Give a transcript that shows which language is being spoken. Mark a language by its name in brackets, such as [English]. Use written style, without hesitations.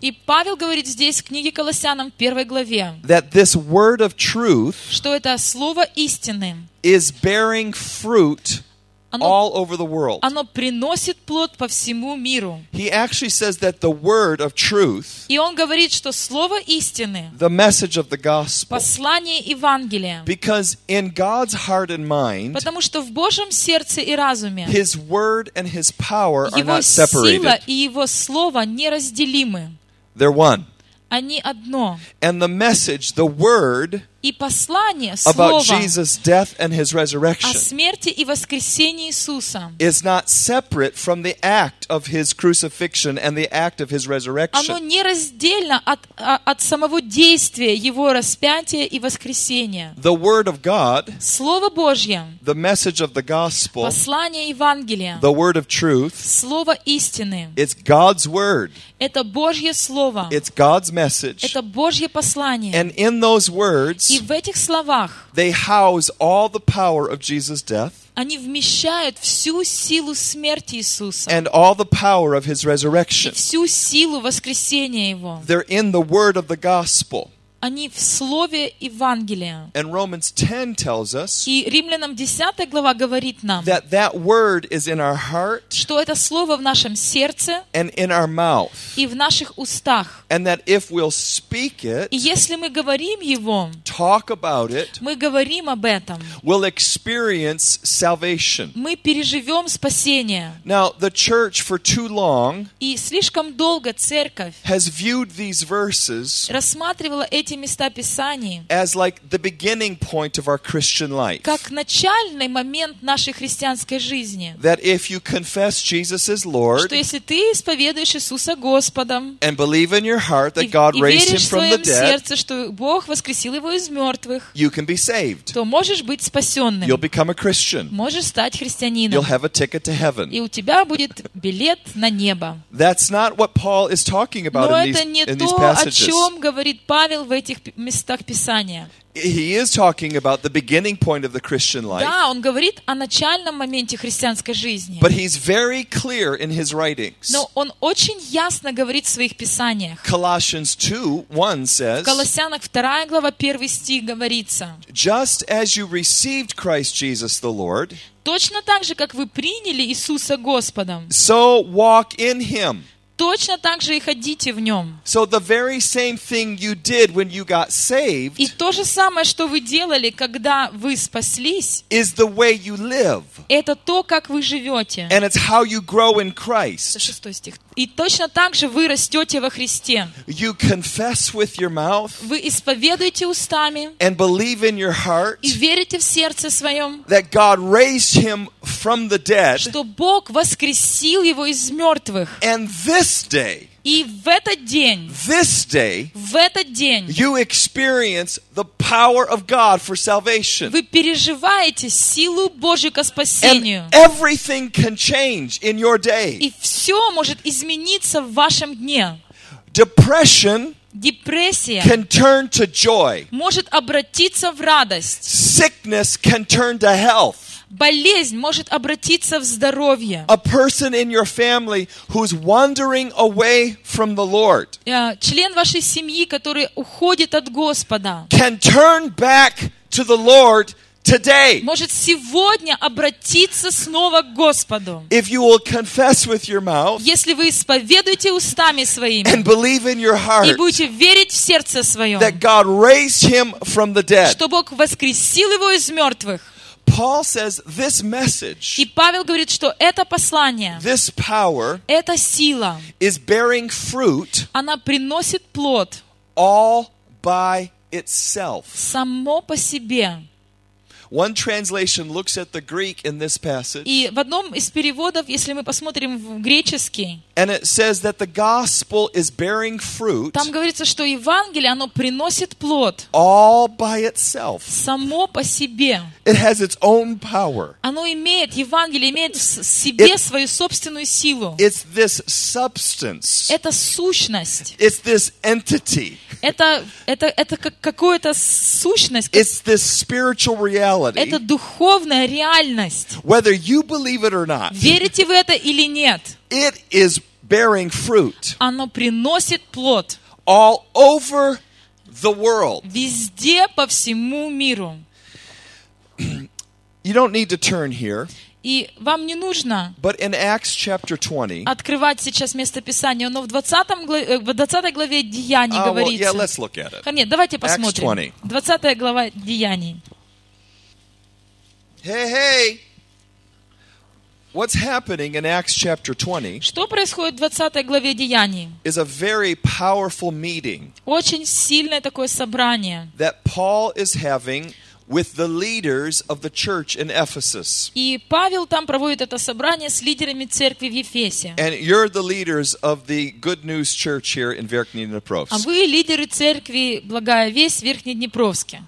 [Russian] И Павел говорит здесь в книге Колоссянам в первой главе. [English] That this word of truth. [Russian] Что это слово истины. [English] Is bearing fruit. All over the world. [Russian] Оно приносит плод по всему миру. [English] He actually says that the word of truth. [Russian] И он говорит, что слово истины. [English] The message of the gospel. [Russian] Послание Евангелия. [English] Because in God's heart and mind. [Russian] Потому что в Божьем сердце и разуме. [English] His word and his power are not separated. [Russian] Его сила и его слово неразделимы. [English] They're one. [Russian] Они одно. [English] And the message, the word, [Russian] и послание, слово, [English] about Jesus' death and his resurrection, [Russian] о смерти и воскресении Иисуса, [English] is not separate from the act of his crucifixion and the act of his resurrection. [Russian] Оно нераздельно от самого действия его распятия и воскресения. [English] The word of God, [Russian] слово Божье, [English] the message of the gospel, [Russian] послание Евангелия, [English] the word of truth, [Russian] слово истины, [English] it's God's word. [Russian] Это Божье слово. [English] It's God's message. [Russian] Это Божье послание. [English] And in those words, [Russian] и в этих словах, [English] they house all the power of Jesus' death. [Russian] Они вмещают всю силу смерти Иисуса. [English] And all the power of his resurrection. [Russian] И всю силу воскресения его. [English] They're in the word of the gospel. [Russian] Они в слове Евангелия. [English] And Romans 10 tells us, [Russian] и Римлянам 10 глава говорит нам, [English] that that word is in our heart, [Russian] что это слово в нашем сердце, [English] and in our mouth, [Russian] и в наших устах, [English] and that if we'll speak it, [Russian] и если мы говорим его, [English] talk about it, [Russian] мы говорим об этом, [English] we'll experience salvation. [Russian] Мы переживем спасение. [English] Now, the church for too long, [Russian] и слишком долго церковь, [English] has viewed these verses, [Russian] рассматривала эти места Писаний, [English] as like the beginning point of our Christian life, [Russian] как начальный момент нашей христианской жизни, [English] that if you confess Jesus is Lord, [Russian] что если ты исповедуешь Иисуса Господом, [English] and believe in your heart that God raised him from the dead, [Russian] и веришь в своем сердце, что Бог воскресил его из мертвых, [English] you can be saved, [Russian] то можешь быть спасенным, [English] you'll become a Christian, [Russian] можешь стать христианином, [English] you'll have a ticket to heaven, [Russian] и у тебя будет билет на небо. [English] That's not what Paul is talking about in these passages. [Russian] Но это не то, о чем говорит Павел в этих местах Писания. [English] He is talking about the beginning point of the Christian life. [Russian] Да, он говорит о начальном моменте христианской жизни. [English] But he's very clear in his writings. [Russian] Но он очень ясно говорит в своих писаниях. [English] Colossians 2:1 says. [Russian] В Колоссянах 2 глава 1 стих говорится. [English] Just as you received Christ Jesus the Lord. [Russian] Точно так же, как вы приняли Иисуса Господом. [English] So walk in him. [Russian] Точно так же и ходите в нем. [English] So the very same thing you did when you got saved, [Russian] и то же самое, что вы делали, когда вы спаслись, [English] is the way you live. [Russian] Это то, как вы живете. [English] And it's how you grow in Christ. [Russian] Шестой стих. И точно так же вы растете во Христе. [English] You confess with your mouth, [Russian] вы исповедуете устами, [English] and believe in your heart, [Russian] и верите в сердце своем, [English] that God raised him from the dead, [Russian] что Бог воскресил его из мертвых. [English] And this day, [Russian] и в этот день, [English] this day, [Russian] в этот день, [English] you experience the power of God for salvation. [Russian] Вы переживаете силу Божью ко спасению. [English] And everything can change in your day. [Russian] И все может измениться в вашем дне. [English] Depression, [Russian] Депрессия [English] can turn to joy. [Russian] Может обратиться в радость. [English] Sickness can turn to health. [Russian] Болезнь может обратиться в здоровье. [English] A person in your family who's wandering away from the Lord. [Russian] Член вашей семьи, который уходит от Господа. [English] Can turn back to the Lord today. [Russian] Может сегодня обратиться снова к Господу. [English] If you will confess with your mouth. [Russian] Если вы исповедуете устами своими. [English] And believe in your heart. [Russian] И будете верить в сердце своем. [English] That God raised him from the dead. [Russian] Что Бог воскресил его из мертвых. [English] Paul says this message. [Russian] И Павел говорит, что это послание. [English] This power. [Russian] Эта сила. [English] Is bearing fruit. [Russian] Она приносит плод. [English] All by itself. [Russian] Само по себе. [English] One translation looks at the Greek in this passage. [Russian] И в одном из переводов, если мы посмотрим в греческий. [English] And it says that the gospel is bearing fruit. [Russian] Там говорится, что Евангелие, оно приносит плод. [English] All by itself. [Russian] Само по себе. [English] It has its own power. [Russian] Оно имеет, Евангелие имеет в себе свою собственную силу. [English] It's this substance. [Russian] Это сущность. [English] It's this entity. [Russian] Это какая-то сущность. [English] It's this spiritual reality. [Russian] Это духовная реальность. [English] Whether you believe it or not. [Russian] Верите вы это или нет. [English] It is bearing fruit. [Russian] Оно приносит плод. [English] All over the world. [Russian] Везде по всему миру. [English] You don't need to turn here. [Russian] И вам не нужно. [English] But in Acts chapter 20. [Russian] Открывать сейчас место Писания, но в 20 главе Деяний говорится. [English] Well, yeah, let's look at it. [Russian] Нет, давайте посмотрим. [English] Acts 20. [Russian] 20 глава Деяний. [English] Hey. What's happening in Acts chapter 20? [Russian] Что происходит в 20 главе Деяний? [English] Is a very powerful meeting. [Russian] Очень сильное такое собрание. [English] That Paul is having with the leaders of the church in Ephesus. [Russian] И Павел там проводит это собрание с лидерами церкви в Ефесе. [English] And you're the leaders of the Good News Church here in Верхний Днепровск. [Russian] А вы лидеры церкви Благая Весть в Верхнеднепровске.